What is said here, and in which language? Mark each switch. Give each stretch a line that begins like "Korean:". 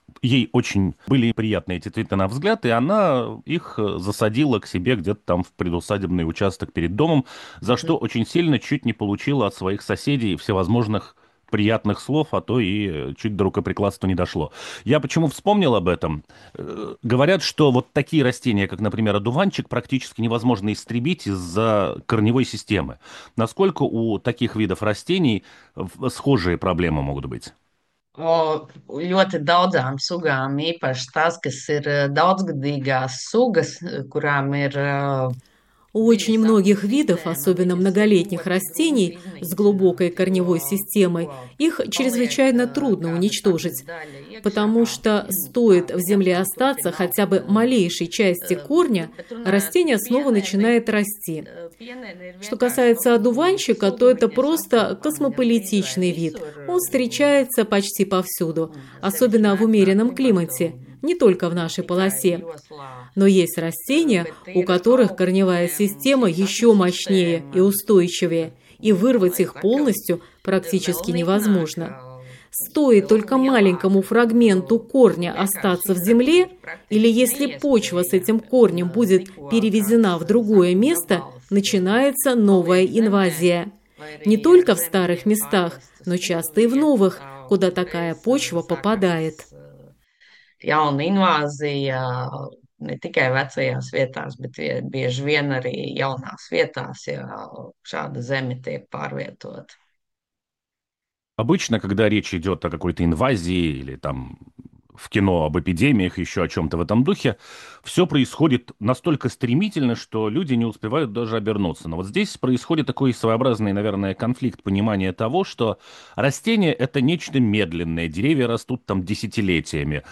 Russian: ей очень были приятны эти цветы на взгляд, и она их засадила к себе где-то там в предусадебный участок перед домом, за что очень сильно чуть не получила от своих соседей всевозможных приятных слов, а то и чуть до рукоприкладства не дошло. Я почему вспомнил об этом? Говорят, что вот такие растения, как, например, одуванчик, практически невозможно истребить из-за корневой системы. Насколько у таких видов растений схожие проблемы могут быть?
Latvian: O ļoti daudzām sugām, īpaši tās, kas ir daudzgadīgās sugas, kurām ir...
Russian: У очень многих видов, особенно многолетних растений с глубокой корневой системой, их чрезвычайно трудно уничтожить, потому что стоит в земле остаться хотя бы малейшей части корня, растение снова начинает расти. Что касается одуванчика, то это просто космополитичный вид. Он встречается почти повсюду, особенно в умеренном климате. Не только в нашей полосе, но есть растения, у которых корневая система еще мощнее и устойчивее, и вырвать их полностью практически невозможно. Стоит только маленькому фрагменту корня остаться в земле, или если почва с этим корнем будет перевезена в другое место, начинается новая инвазия. Не только в старых местах, но часто и в новых, куда такая почва попадает.
Latvian: Jauna invāzija ne tikai vecajās vietās, bet bieži vien arī jaunās vietās, ja šāda zeme tiek pārvietota.
Russian: Обычно, когда речь идет о какой-то инвазии или там в кино об эпидемиях, еще о чем-то в этом духе, все происходит настолько стремительно, что люди не успевают даже обернуться. Но вот здесь происходит такой своеобразный, наверное, конфликт понимания того, что растения — это нечто медленное, деревья растут там десятилетиями.